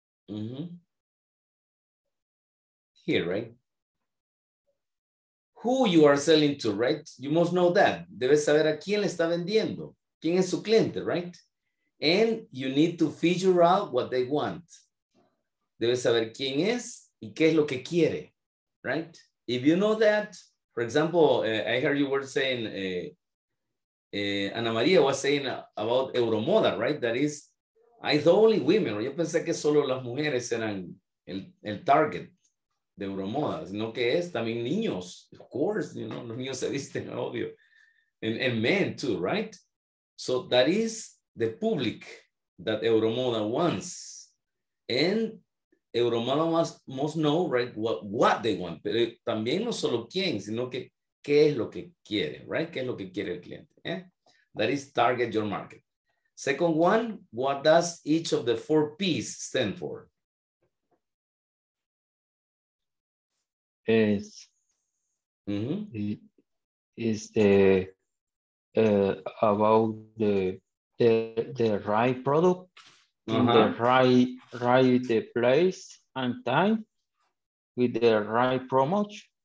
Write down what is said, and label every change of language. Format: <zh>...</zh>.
<en>Mm-hmm. Here, right? Who you are selling to, right? You must know that.</en> <es>Debes saber a quién le está vendiendo. Quién es su cliente, right?</es> <en>And you need to figure out what they want.</en> <es>Debes saber quién es y qué es lo que quiere, right?</es> <en>If you know that, for example, I heard you were saying, Ana María was saying about Euromoda, right? That is, I thought only women.</en> <es>Yo pensé que solo las mujeres eran el target de Euromoda, sino que es también niños.</es> <en>Of course, you know,</en> <es>los niños se visten, obvio.</es> <en>And men too, right? So that is the public that Euromoda wants. And Euromano must know, right, what they want.</en> <es>Pero también no solo quién, sino que qué es lo que quiere, right? Qué es lo que quiere el cliente. Eh?</es> <en>That is target your market. Second one, what does each of the four P's stand for? Is is the about the right product in the right place and time with the right promotion.</en>